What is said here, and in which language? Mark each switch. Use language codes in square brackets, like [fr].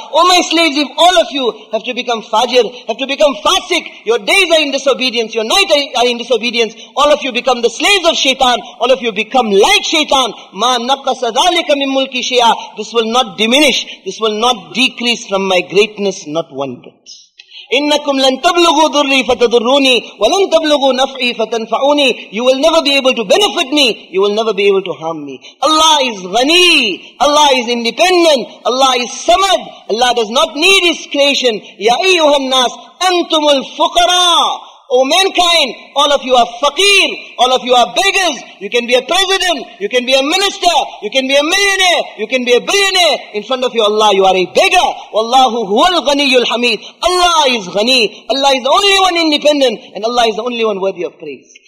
[en] O my slaves, if all of you have to become fajir, have to become fasik, your days are in disobedience, your night are in disobedience, all of you become the slaves of shaitan, all of you become like shaitan, [ar] مَا نَقَصَ ذَلِكَ مِن مُلْكِ شِيَا. [en] This will not diminish, this will not decrease from my greatness, not one bit. [ar] إنكم لن تبلغوا ضري فتضروني ولن تبلغوا نفعي فتنفعوني. [en] You will never be able to benefit me. You will never be able to harm me. Allah is غني. Allah is independent. Allah is samad. Allah does not need His creation. [ar] يا أيها الناس أنتم الفقراء. [en] Oh mankind, all of you are faqir, all of you are beggars. You can be a president, you can be a minister, you can be a millionaire, you can be a billionaire. In front of you, Allah, you are a beggar. [ar] Wallahu huwa al-ghaniyul hamid. [en] Allah is ghani. Allah is the only one independent, and Allah is the only one worthy of praise.